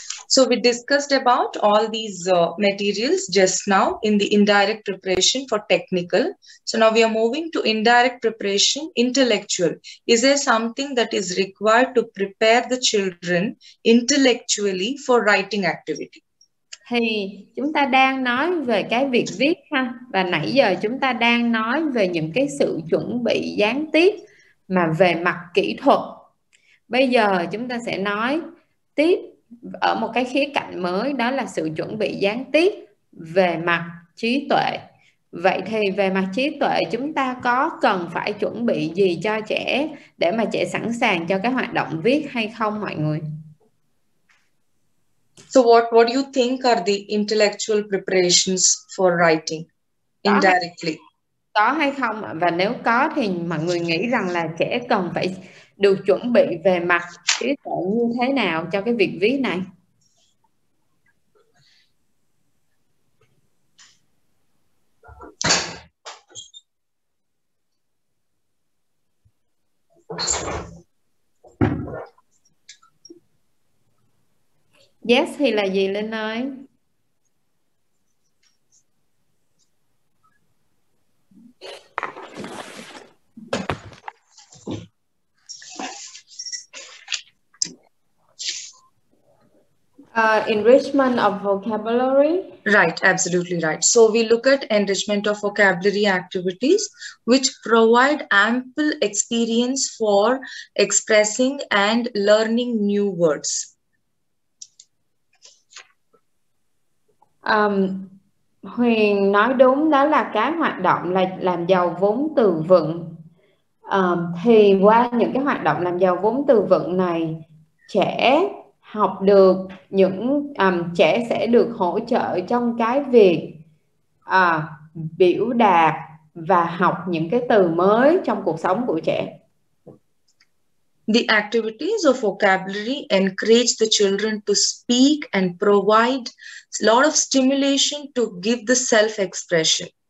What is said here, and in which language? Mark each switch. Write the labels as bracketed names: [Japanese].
[English] So we discussed about all these materials just now in the indirect preparation for technical. So now we are moving to indirect preparation intellectual. Is there something that is required to prepare the children intellectually for writing activity? [Vietnamese] Thì chúng ta đang nói về cái việc viết ha, và nãy giờ chúng ta đang nói về những cái sự chuẩn bị gián tiếp mà về mặt kỹ thuật. Bây giờ chúng ta sẽ nói tiếp ở một cái khía cạnh mới, đó là sự chuẩn bị gián tiếp về mặt trí tuệ. Vậy thì về mặt trí tuệ, chúng ta có cần phải chuẩn bị gì cho trẻ để mà trẻ sẵn sàng cho cái hoạt động viết hay không mọi người? [English] So what do you think are the intellectual preparations for writing indirectly? [Vietnamese] Có hay không? Và nếu có thì mọi người nghĩ rằng là trẻ cần phải được chuẩn bị về mặt trí tuệ như thế nào cho cái việc viết này? Yes, thì là gì Linh ơi? [English] Enrichment of vocabulary. Right, absolutely right. So we look at enrichment of vocabulary activities, which provide ample experience for expressing and learning new words. [Vietnamese] Huyền nói đúng, đó là cái hoạt động là làm giàu vốn từ vựng. Thì qua những cái hoạt động làm giàu vốn từ vựng này, trẻ học được những trẻ sẽ được hỗ trợ trong cái việc biểu đạt và học những cái từ mới trong cuộc sống của trẻ. [English] The activities of vocabulary encourage the children to speak and provide a lot of stimulation to give the self-expression.